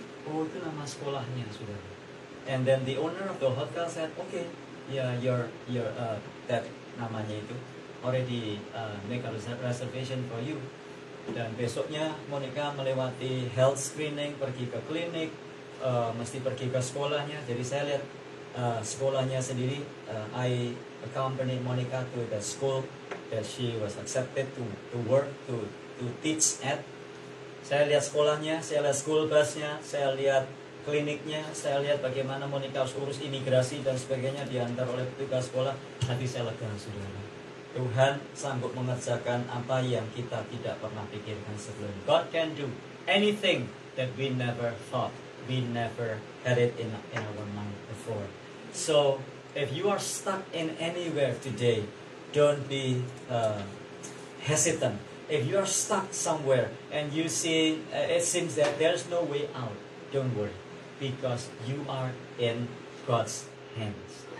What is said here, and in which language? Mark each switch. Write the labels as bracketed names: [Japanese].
[Indonesian] Oh, itu nama sekolahnya, saudara. [English] And then the owner of the hotel said, okay, yeah, that [Indonesian] namanya itu [English] already make a reservation for you. [Indonesian] Dan besoknya Monica melewati health screening, pergi ke klinik, mesti pergi ke sekolahnya. Jadi saya lihat sekolahnya sendiri. [English] I accompanied Monica to the school that she was accepted to work to teach at. [Indonesian] Saya lihat sekolahnya, saya lihat school busnya, saya lihat kliniknya, saya lihat bagaimana Monica harus urus imigrasi dan sebagainya diantar oleh petugas sekolah. Hati saya lega, saudara. Tuhan sanggup mengerjakan apa yang kita tidak pernah pikirkan sebelumnya. [English] God can do anything that we never thought, we never had it in our mind before. So if you are stuck in anywhere today, don't be hesitant. If you are stuck somewhere and you see it seems that there's no way out, don't worry, because you are in God's hands.